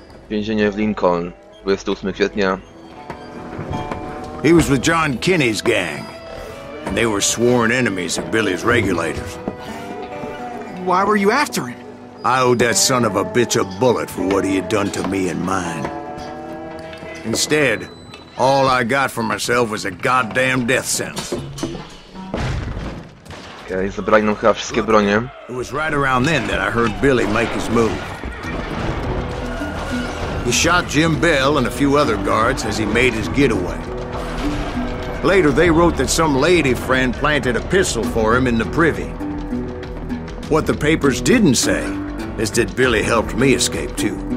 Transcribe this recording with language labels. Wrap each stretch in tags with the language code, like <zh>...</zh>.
<pl>Więzienie w Lincoln, 28 kwietnia.</pl> <en>He was with John Kinney's gang, and they were sworn enemies of Billy's regulators. Why were you after him? I owed that son of a bitch a bullet for what he had done to me and mine. Instead, all I got for myself was a goddamn death sentence.</en> <pl>Okay, zabrali nam chyba wszystkie bronie.</pl> <en>It was right around then that I heard Billy make his move. He shot Jim Bell and a few other guards as he made his getaway. Later, they wrote that some lady friend planted a pistol for him in the privy. What the papers didn't say is that Billy helped me escape, too.</en>